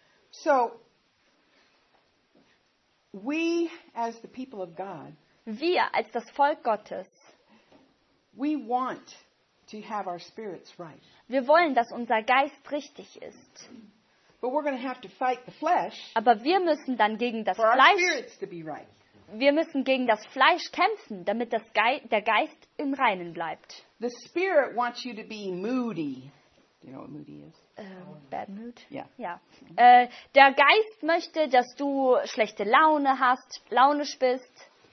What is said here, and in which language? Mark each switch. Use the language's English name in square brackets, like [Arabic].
[English] So we as the people of God, [German] wir als das Volk Gottes, [English] we want to have our spirits right. [German] Wir wollen, dass unser Geist richtig ist. [English] But we're going to have to fight the flesh. [German] Aber wir müssen dann gegen das Fleisch. Wir müssen gegen das Fleisch kämpfen, damit der Geist im Reinen bleibt. [English] The spirit wants you to be moody. Do you know what moody is? Bad mood. Yeah. Yeah. Mm-hmm. [German] Der Geist möchte, dass du schlechte Laune hast, launisch bist.